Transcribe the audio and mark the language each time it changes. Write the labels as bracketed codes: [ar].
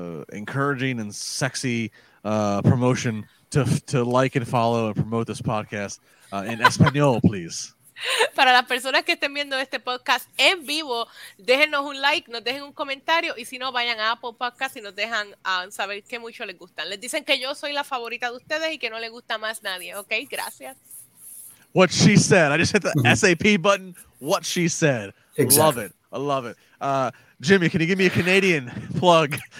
[en] encouraging and sexy promotion to like and follow and promote this podcast in español, please. [es] Para las personas que estén viendo este podcast en vivo, déjenos un like, nos dejen un comentario y si no, vayan a Apple Podcast y nos dejan saber qué mucho les gustan. Les dicen que yo soy la favorita de ustedes y que no les gusta más nadie. Okay, gracias. [en] What she said. I just hit the SAP button. What she said. Exactly. Love it. I love it. Jimmy, can you give me a Canadian plug?